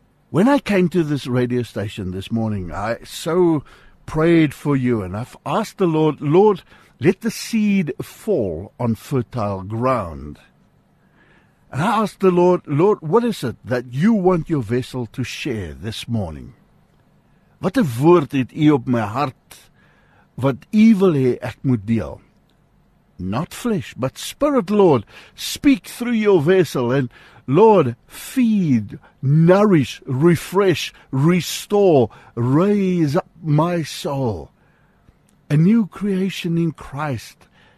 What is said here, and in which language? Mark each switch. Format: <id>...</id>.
<en>When I came to this radio station this morning, I so prayed for you, and I've asked the Lord, Lord, let the seed fall on fertile ground. And I asked the Lord, Lord, what is it that you want your vessel to share this morning?</en> <af>Wat 'n woord het u op my hart, wat u wil hê ek moet deel?</af> <en>Not flesh, but spirit, Lord, speak through your vessel. And Lord, feed, nourish, refresh, restore, raise up my soul. A new creation in Christ.</en>